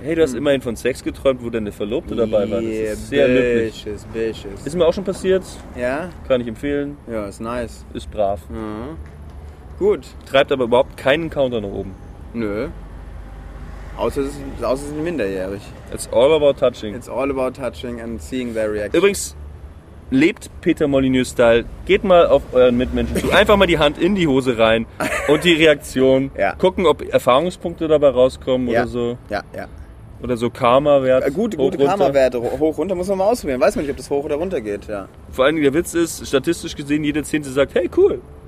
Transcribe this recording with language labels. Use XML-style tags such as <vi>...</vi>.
<de>Hey, du hast immerhin von Sex geträumt, wo deine Verlobte dabei war. Das ist sehr löblich. Bitches. Ist mir auch schon passiert. Ja? Kann ich empfehlen. Ja, ist nice. Ist brav. Mhm. Gut. Treibt aber überhaupt keinen Counter nach oben. Nö. Außer sind minderjährig.</de> <en>It's all about touching and seeing their reaction.</en> <de>Übrigens, lebt Peter Molyneux-Style. Geht mal auf euren Mitmenschen zu. Einfach mal die Hand in die Hose rein und die Reaktion. Ja. Gucken, ob Erfahrungspunkte dabei rauskommen oder so. Ja, ja. Oder so Karma-Wert. Gute Karma-Werte hoch, runter. Muss man mal ausprobieren. Weiß man nicht, ob das hoch oder runter geht. Ja. Vor allem der Witz ist, statistisch gesehen, jede Zehnte sagt, hey, cool.</de>